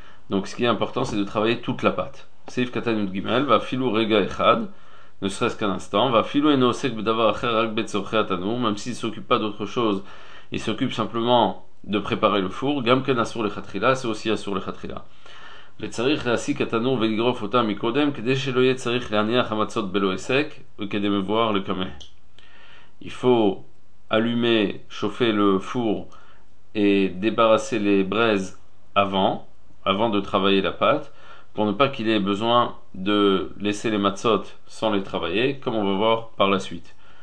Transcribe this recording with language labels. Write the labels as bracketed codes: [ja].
[fr] Donc, ce qui est important, c'est de travailler toute la pâte. [he] Seif Katanut Gimel va filou rega echad, [fr] ne serait-ce qu'un instant. [he] Va filou eno sek bedavar acher rak betzorcheh atanour, [fr] même s'il ne s'occupe pas d'autre chose, il s'occupe simplement de préparer le four. [he] Gamken asur le khatrila, [fr] c'est aussi [he] asur le khatrila. וצריך להסיק את התנור ולגרוף אותה מקודם כדי שלא יהיה צריך להניח המצות בלא היסק וכדי מבואר לקמה. [fr] Il faut allumer, chauffer le four et débarrasser les braises avant de travailler la pâte, pour ne pas qu'il ait besoin de laisser les matzot sans les travailler, comme on va voir par la suite.